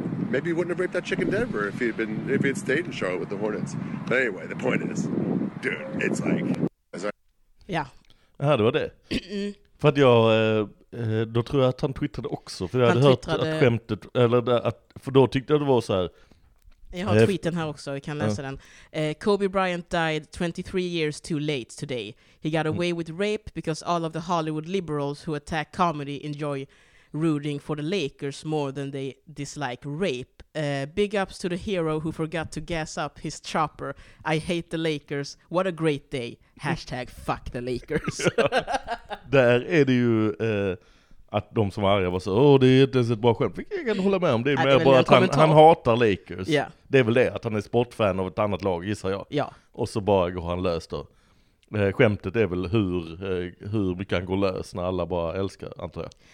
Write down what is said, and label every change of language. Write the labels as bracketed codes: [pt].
[en] Maybe he wouldn't have raped that chick in Denver if he had stayed in Charlotte with the Hornets. But anyway, the point is, dude, it's like... Yeah. [sv] Ja, det var det. För att jag... Då tror jag att han twittrade också. För jag hade hört att skämtet... Eller att, för då tyckte jag det var så här... Jag har tweeten här också, jag kan läsa den. [en] Kobe Bryant died 23 years too late today. He got away with rape because all of the Hollywood liberals who attack comedy enjoy rooting for the Lakers more than they dislike rape. Big ups to the hero who forgot to gas up his chopper. I hate the Lakers. What a great day. #fuck the Lakers. [sv] Där är det ju att de som var arga var så, åh, det är inte ens ett bra skämt. Jag kan hålla med om det, men bara att han hatar Lakers. [en] Yeah. [sv] Det är väl det, att han är sportfan av ett annat lag, gissar jag. [en] Yeah. [sv] Och så bara går han lös då. Skämtet är väl hur mycket han går lös när alla bara älskar, antar jag.